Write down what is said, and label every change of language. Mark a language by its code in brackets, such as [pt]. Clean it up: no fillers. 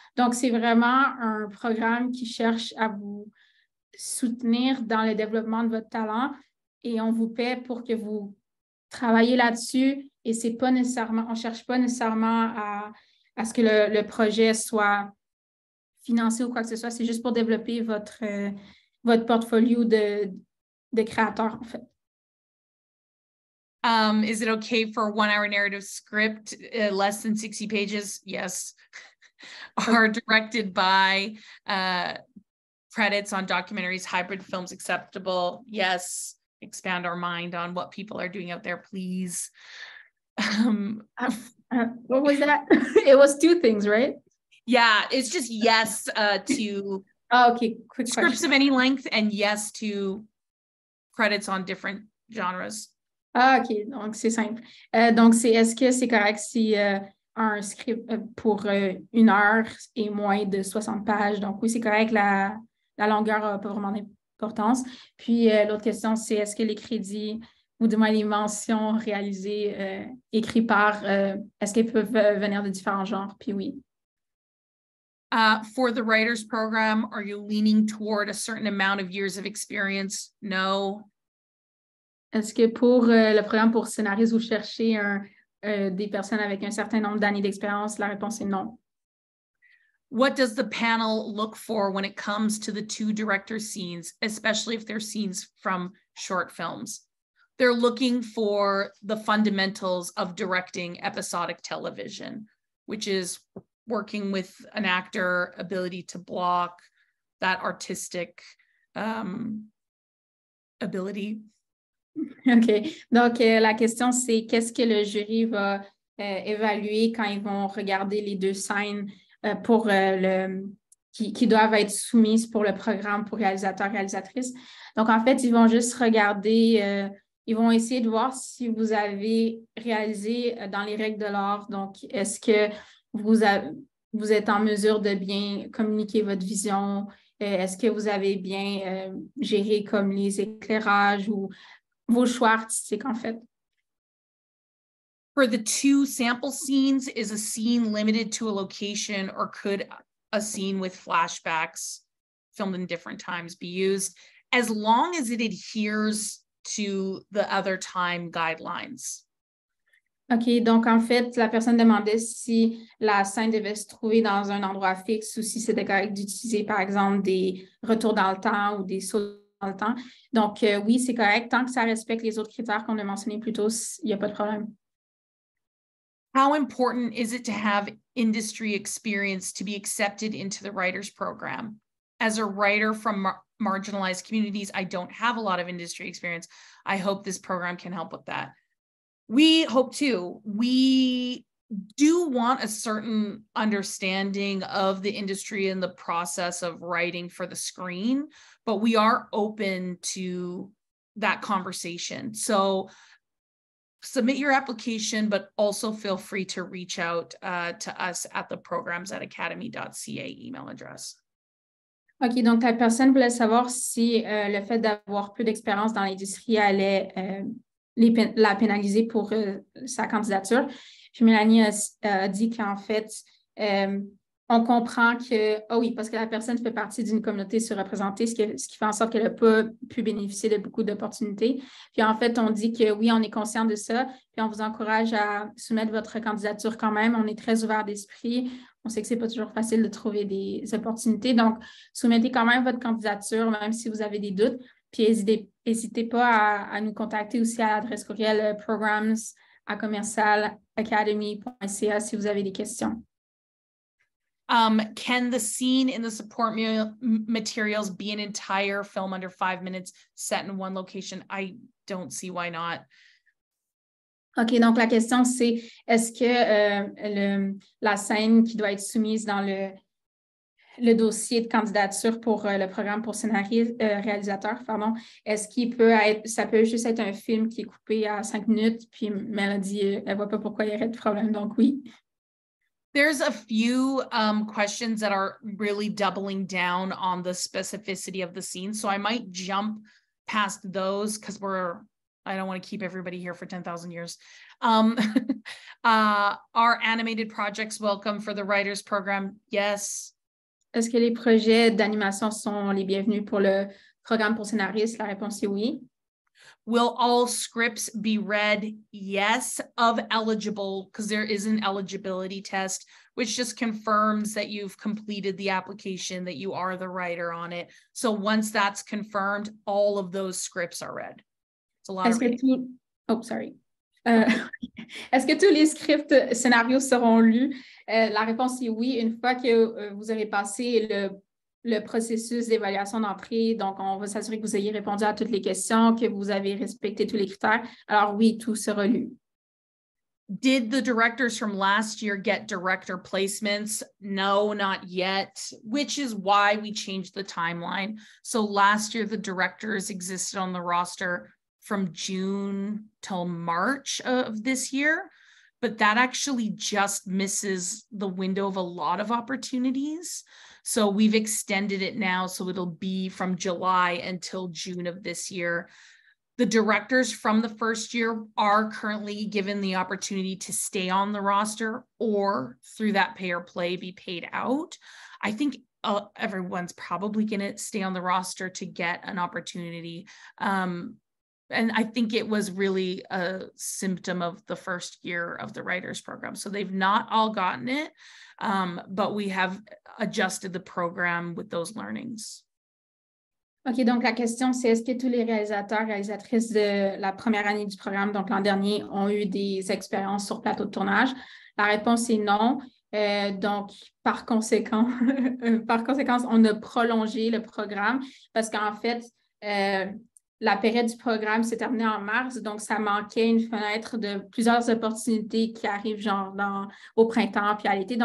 [fr] Donc, c'est vraiment un programme qui cherche à vous soutenir dans le développement de votre talent et on vous paie pour que vous travaillez là-dessus et c'est pas nécessairement, on ne cherche pas nécessairement à ce que le projet soit financé ou quoi que ce soit. C'est juste pour développer votre portfolio de créateurs, en fait. [en] Is it okay for a one-hour narrative script, less than 60 pages? Yes. Are directed by credits on documentaries, hybrid films acceptable? Yes. Expand our mind on what people are doing out there, please. What was that? It was two things, right? Yeah, it's just yes to scripts of any length and yes to credits on different genres. [fr] Ah, OK, donc c'est simple. Donc, c'est est-ce que c'est correct si un script pour une heure et moins de 60 pages? Donc, oui, c'est correct, la longueur n'a pas vraiment d'importance. Puis, l'autre question, c'est est-ce que les crédits ou du moins les mentions réalisées, écrites par, est-ce qu'elles peuvent venir de différents genres? Puis oui. [en] For the writer's program, are you leaning toward a certain amount of years of experience? No. [fr] Est-ce que pour le programme pour scénariste, vous cherchez des personnes avec un certain nombre d'années d'expérience? La réponse est non. [en] What does the panel look for when it comes to the two director scenes, especially if they're scenes from short films? They're looking for the fundamentals of directing episodic television, which is working with an actor, ability to block, that artistic ability. OK. [fr] Donc, la question, c'est qu'est-ce que le jury va évaluer quand ils vont regarder les deux scènes pour qui doivent être soumises pour le programme pour réalisateur, réalisatrice. Donc, en fait, ils vont juste regarder, ils vont essayer de voir si vous avez réalisé dans les règles de l'art. Donc, est-ce que vous êtes en mesure de bien communiquer votre vision? Est-ce que vous avez bien géré comme les éclairages ou vos choix artistiques, en fait? [en] For the two sample scenes, is a scene limited to a location or could a scene with flashbacks filmed in different times be used as long as it adheres to the other time guidelines? [fr] OK, donc en fait, la personne demandait si la scène devait se trouver dans un endroit fixe ou si c'était correct d'utiliser, par exemple, des retours dans le temps ou des sauts dans le temps. Donc oui, c'est correct. Tant que ça respecte les autres critères qu'on a mentionnés plus tôt, il n'y a pas de problème. [en] How important is it to have industry experience to be accepted into the writer's program? As a writer from marginalized communities, I don't have a lot of industry experience. I hope this program can help with that. We hope too. We do want a certain understanding of the industry and the process of writing for the screen, but we are open to that conversation. So submit your application, but also feel free to reach out to us at the programs@academy.ca email address. [fr] OK, donc la personne voulait savoir si le fait d'avoir peu d'expérience dans l'industrie allait la pénaliser pour sa candidature. Puis Mélanie a dit qu'en fait, on comprend que, oh oui, parce que la personne fait partie d'une communauté surreprésentée, ce qui fait en sorte qu'elle n'a pas pu bénéficier de beaucoup d'opportunités. Puis en fait, on dit que oui, on est conscient de ça, puis on vous encourage à soumettre votre candidature quand même. On est très ouvert d'esprit. On sait que ce n'est pas toujours facile de trouver des opportunités. Donc, soumettez quand même votre candidature, même si vous avez des doutes. Puis n'hésitez pas à nous contacter aussi à l'adresse courriel programs@commercialacademy.ca si vous avez des questions. [en] Can the scene in the support materials be an entire film under 5 minutes set in one location? I don't see why not. [fr] OK, donc la question c'est est-ce que la scène qui doit être soumise dans le dossier de candidature pour le programme pour réalisateur, est-ce qu'il peut être, ça peut juste être un film qui est coupé à 5 minutes, puis Mélodie, elle ne voit pas pourquoi il y aurait de problème, donc oui. [en] There's a few questions that are really doubling down on the specificity of the scene, so I might jump past those because I don't want to keep everybody here for 10,000 years. are animated projects welcome for the writer's program? Yes. [fr] Est-ce que les projets d'animation sont les bienvenus pour le programme pour scénaristes? La réponse est oui. [en] Will all scripts be read? Yes, of eligible, because there is an eligibility test, which just confirms that you've completed the application, that you are the writer on it. So once that's confirmed, all of those scripts are read. It's a lot of reading. [fr] Est-ce que tous les scripts scénarios seront lus? La réponse est oui, une fois que vous aurez passé le processus d'évaluation d'entrée. Donc, on va s'assurer que vous ayez répondu à toutes les questions, que vous avez respecté tous les critères. Alors oui, tout sera lu. [en] Did the directors from last year get director placements? No, not yet, which is why we changed the timeline. So last year, the directors existed on the roster from June till March of this year, but that actually just misses the window of a lot of opportunities. So we've extended it now, so it'll be from July until June of this year. The directors from the first year are currently given the opportunity to stay on the roster or through that pay or play be paid out. I think everyone's probably going to stay on the roster to get an opportunity. And I think it was really a symptom of the first year of the writers program. So they've not all gotten it, but we have adjusted the program with those learnings. [fr] OK, donc la question, c'est est-ce que tous les réalisateurs, réalisatrices de la première année du programme, donc l'an dernier, ont eu des expériences sur plateau de tournage? La réponse est non. Donc, par conséquent, on a prolongé le programme parce qu'en fait, la période du programme s'est terminée en mars, donc ça manquait une fenêtre de plusieurs opportunités qui arrivent genre au printemps puis à l'été.